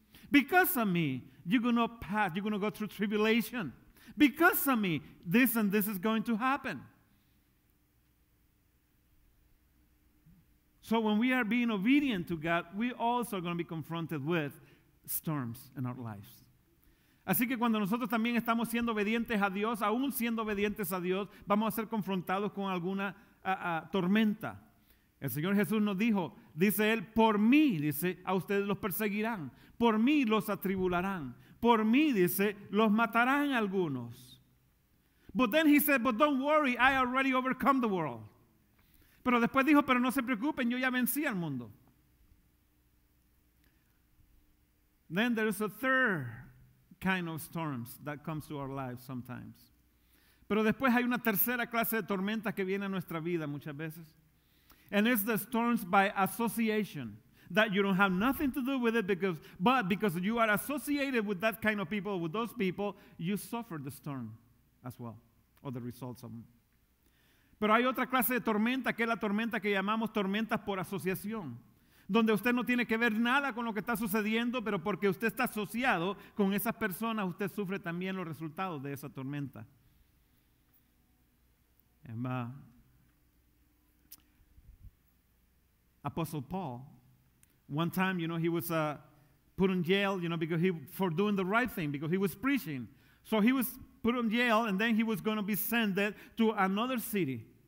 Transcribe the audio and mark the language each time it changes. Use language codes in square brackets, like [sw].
[en] Because of me, you're going to pass, you're going to go through tribulation. Because of me, this and this is going to happen. So when we are being obedient to God, we also are going to be confronted with storms in our lives. [es] Así que cuando nosotros también estamos siendo obedientes a Dios, aún siendo obedientes a Dios, vamos a ser confrontados con alguna tormenta. El Señor Jesús nos dijo, dice Él, por mí, dice, a ustedes los perseguirán. Por mí los atribularán. Por mí, dice, los matarán algunos. [en] But then he said, but don't worry, I already overcome the world. [es] Pero después dijo, pero no se preocupen, yo ya vencí al mundo. [en] Then there is a third kind of storms that comes to our lives sometimes. [es] Pero después hay una tercera clase de tormentas que viene a nuestra vida muchas veces. [en] And it's the storms by association. That you don't have nothing to do with it, because you are associated with that kind of people, with those people, you suffer the storm as well, or the results of them. [es] Pero hay otra clase de tormenta, que es la tormenta que llamamos tormentas por asociación. Donde usted no tiene que ver nada con lo que está sucediendo, pero porque usted está asociado con esas personas, usted sufre también los resultados de esa tormenta. [en] And, Apostle Paul, one time, you know, he was put in jail, you know, because for doing the right thing, because he was preaching. So he was put in jail, and then he was going to be sent to another city.